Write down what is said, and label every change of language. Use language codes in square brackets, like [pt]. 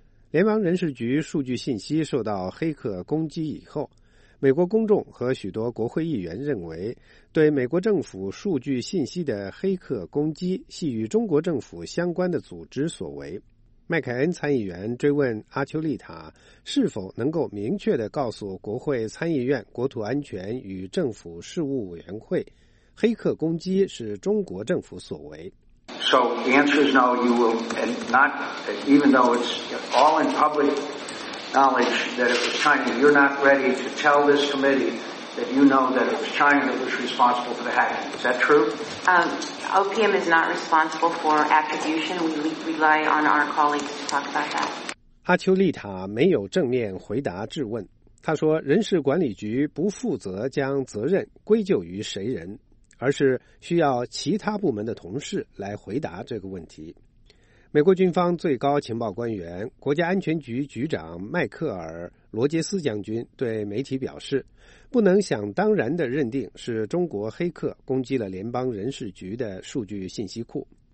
[zh] 联邦人事局数据信息受到黑客攻击以后，美国公众和许多国会议员认为，对美国政府数据信息的黑客攻击系与中国政府相关的组织所为。麦凯恩参议员追问阿丘利塔是否能够明确地告诉国会参议院国土安全与政府事务委员会，黑客攻击是中国政府所为。 [en] So the answer is no. You will not, even though it's all in public knowledge that it was China. You're not ready to tell this committee that you know that it was China that was responsible for the hacking. Is that true? OPM is not responsible for attribution. We rely on our colleagues to talk about that. [zh] 阿丘利塔没有正面回答质问。他说，人事管理局不负责将责任归咎于谁人，而是需要其他部门的同事来回答这个问题。美国军方最高情报官员、国家安全局局长迈克尔·罗杰斯将军对媒体表示，不能想当然地认定是中国黑客攻击了联邦人事局的数据信息库。